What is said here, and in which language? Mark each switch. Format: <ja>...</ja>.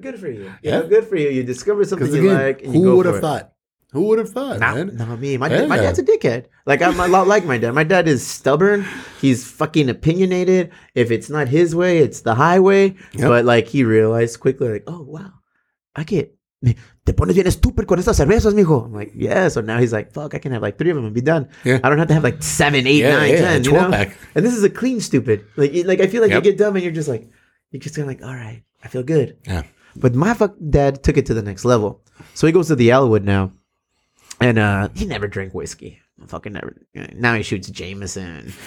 <en>good for you. Yeah. You know, good for you. You discover something you like. Who would have thought? Who would have thought, man? Not me. My dad's a dickhead. Like, I'm a lot like my dad. My dad is stubborn. He's fucking opinionated. If it's not his way, it's the highway. Yep. But, like, he realized quickly, like, oh, wow. I get...</en> <es>Te pones bien estúpido con estas cervezas, mijo.</es> <en>I'm like, yeah. So now he's like, fuck, I can have, like, three of them and be done. Yeah. I don't have to have, like, 7, 8, 9, 10, you know? Pack. And this is a clean stupid. Like I feel like you get dumb and you're just like... You're just kind of like, all right, I feel good. Yeah. But my dad took it to the next level. So he goes to the Elwood now. And he never drank whiskey. Fucking never. Now he shoots Jameson.</en>